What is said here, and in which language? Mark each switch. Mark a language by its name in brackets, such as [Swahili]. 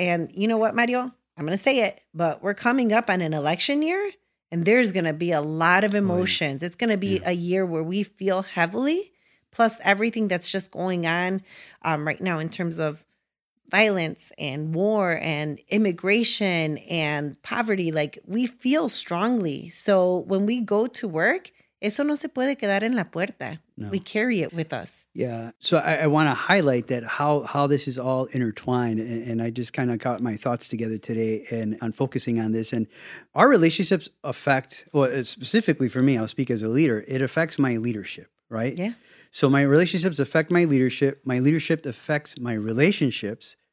[English] And you know what, Mario? I'm going to say it, but we're coming up on an election year. And there's going to be a lot of emotions. It's going to be a year where we feel heavily, plus everything that's just going on right now in terms of violence and war and immigration and poverty. Like, we feel strongly. So when we go to work, [Spanish] eso no se puede quedar en la puerta. [English] No. We carry it with us. Yeah. So I want to highlight that how this is all intertwined. And I just kind of got my thoughts together today and on focusing on this. And our relationships affect, well, specifically for me, I'll speak as a leader, it affects my leadership, right? Yeah. So my relationships affect my leadership. My leadership affects my relationships.